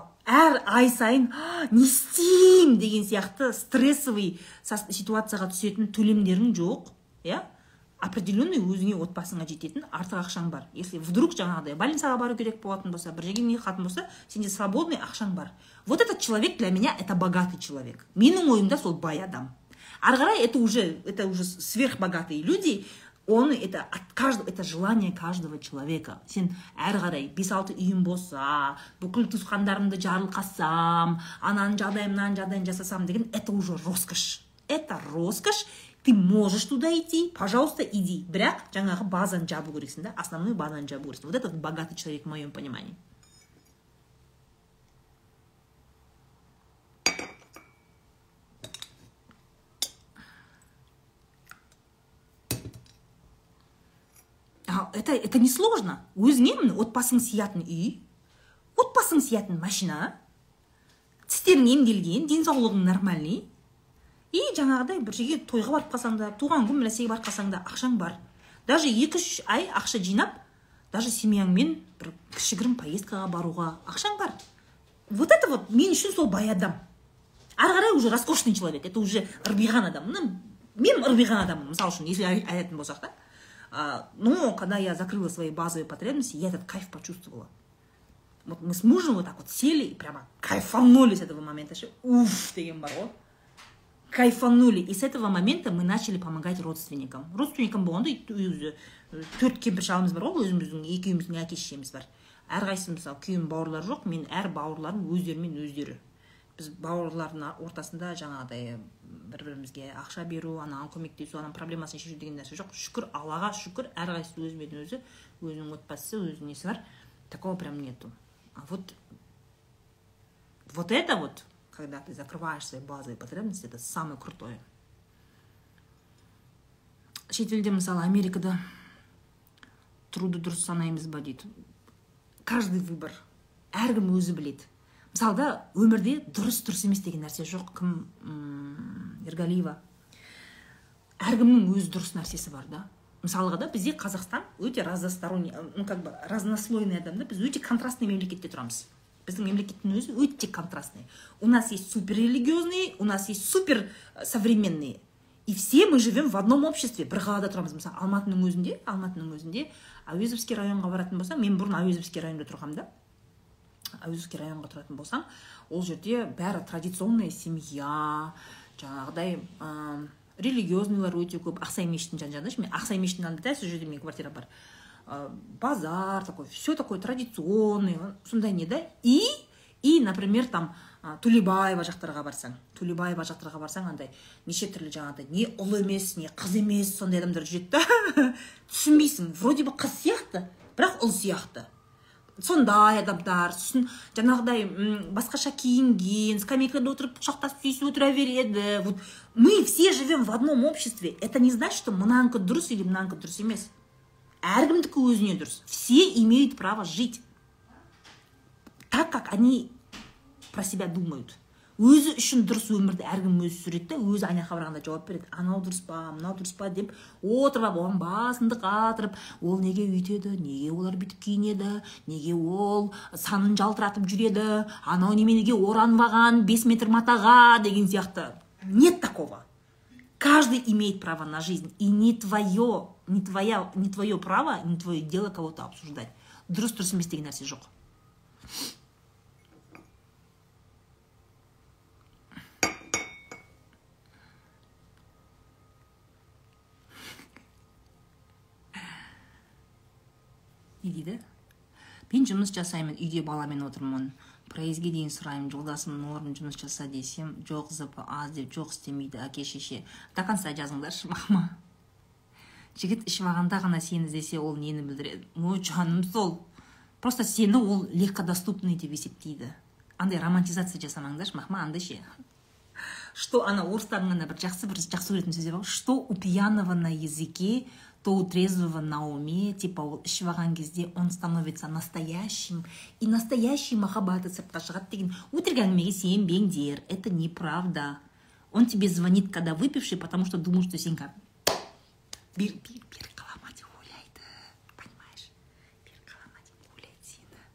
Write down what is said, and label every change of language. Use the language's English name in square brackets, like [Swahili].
[Kazakh] Әр ай сайын, не істейм деген сияқты стрессовый ситуацияға түсетін төлемдерің жоқ. Иә? Определенный өзіңе отбасыңа жететін артық ақшаң бар. [Russian] Если вдруг [Kazakh] жаңағыдай больницаға бару керек болатын болса, бір жерге қатын болса, сенде свободный ақшаң бар. [Russian] Вот этот человек для меня это богатый человек. [Kazakh] Менің ойымда сол бай адам. Ары қарай [Russian] это уже сверхбогатые люди, он это желание каждого человека. [Kazakh] Сен әрі қарай 5-6 үйім болса, бүкіл туысқандарымды жарылқасам, ананың жағдайын, мынаның жағдайын жасасам деген, [Russian] это уже роскошь. Это роскошь. Ты можешь туда идти, пожалуйста, иди. [Kazakh] Бірақ жаңағы базаны жабу керексің, да? Основной базаны жабу керексің. [Russian] Вот этот богатый человек в моем понимании. Это не сложно. [Kazakh] Өзінен отбасың сиятын үй, отбасың сиятын машина, тістерің емделген, денсаулығың нормальный. И жаңағыдай бір жерге тойға барып қалсаң да, туған күн мәселеге барып қалсаң да, ақшаң бар. Даже 2-3 ай ақша жинап, даже семьяңмен бір кішігірім поездкаға баруға ақшаң бар. [Russian] Вот это вот [Kazakh] мен үшін сол бай адам. Ары қарай [Russian] уже роскошный человек, это уже [Kazakh] ырбиған адам. Мен ырбиған адаммын, мысалы үшін, если айтатын болсақ та. [Russian] Но когда я закрыла свои базовые потребности, я этот кайф почувствовала. Вот мы с мужем вот так вот сели и прямо кайфанули с этого момента. Уф, таким баро. Кайфанули. И с этого момента мы начали помогать родственникам. Родственникам было, [Kazakh] да, төрт кемпір шалымыз бар, өзіміздің екеуміздің әке шешеміз бар. Әрқайсысы, мысалы, күйеуім бауырлар жоқ, мен әр бауырларым өздерімен өздері. Біз бауырлардың ортасында жаңағыдай бір-бірімізге ақша беру, анаған көмектесу, ананың проблемасын шешу деген нәрсе жоқ. Шүкір, Аллаға шүкір, әрқайсысы өзімен өзі, өзінің отбасы, өзінің несі бар. [Russian] Такого прям нету. А вот, вот это вот, когда ты закрываешь свои базовые потребности, это самое крутое. [Kazakh] Шетелде, мысалы, Америкада труды дұрыс санаймыз ба дейді. [Russian] Каждый выбор, [Kazakh] әркім өзі біледі. Мысалы да, өмірде дұрыс-дұрыс емес деген нәрсе жоқ. Кім? Ергалиева. Әркімнің өз дұрыс нәрсесі бар, да? Мысалыға да, бізде Қазақстан өте разнослойный адам, да? Біз өте контрастный мемлекетте тұрамыз. Біздің мемлекеттің өзі өте контрастный. [Russian] У нас есть суперрелигиозные, у нас есть суперсовременные. И все мы живем в одном обществе. [Kazakh] Бір қалада тұрамыз, мысалы, Алматының өзінде, Әуезовский районға баратын болса, мен бұрын Әуезовский районда тұрғам, да? Әуезовский районға тұратын болсам, ол жерде бәрі традиционная семья, жаңағыдай религиозныйлар өте көп, Ақсай мешітін жан-жанды, мен Ақсай мешітін алдында, сіз жерде мен квартира бар, базар, такой, [Russian] все такое традиционный, [Kazakh] сондай не да? [Russian] И, например, там [Kazakh] Төлебаева жақтарға барсаң, андай неше түрлі жаңағыдай, не ұл емес, не қыз емес, сондай адамдар жүреді, түсінбейсің, [Russian] вроде бы [Kazakh] қыз сияқты, бірақ ұл сияқты. сондай адамдар, сосын жаңағыдай басқаша киінген, скамейкада отырып құшақтасып сүйісіп отыра береді. [Russian] Вот мы все живем в одном обществе. Это не значит, что [Kazakh] мынанікі дұрыс или мынанікі дұрыс емес. Әркімдікі өзіне дұрыс. [Russian] Все имеют право жить так, как они про себя думают. [Kazakh] Өзі үшін дұрыс өмірді әркім өзі сүреді де, өзі айнаға қарағанда жауап береді. Анау дұрыс па, мынау дұрыс па деп отырып, оған басынды қатырып, ол неге үйтеді, неге олар бүйтіп киінеді, неге ол санын жалтыратып жүреді, анау неменеге оранбаған 5 метр матаға деген сияқты. [Russian] Нет такого. Каждый имеет право на жизнь. И не твое право, не твое дело кого-то обсуждать. [Kazakh] Дұрыс-дұрыс емес деген нәрсе жоқ. Не дейді? Мен жұмыс жасаймын, үйде баламен отырмын. Проезге дейін сұраймын, жолдасым норм жұмыс жаса десем, жоқ зыпы аз деп, жоқ істемейді, әке шеше. Таканса жазыңдаршы, мама. Жігіт іші бағанда ғана сені іздесе, ол нені білдіреді? Ну, жаным сол. Просто сені ол легко доступный деп есептейді. Андай романтизация жасамаңдаршы, мама, андай ше. [Russian] Что она [Kazakh] орыстарынан бір жақсы, бір жақсы көретін сөздер бар. [Russian] Что у пьяного на языке, то у трезвого на уме, типа [Kazakh] ол ішіп алған кезде [Russian] он становится настоящим, и настоящий [Kazakh] махаббаты сыртқа шығады деген өтірік әңгімеге сенбеңдер. [Russian] Это неправда. Он тебе звонит, когда выпивший, потому что думает, что [Kazakh] сен кәрі. Бір қалама деп ойлайды. [Russian] Понимаешь? [Kazakh] Бір қалама деп ойлайды сені.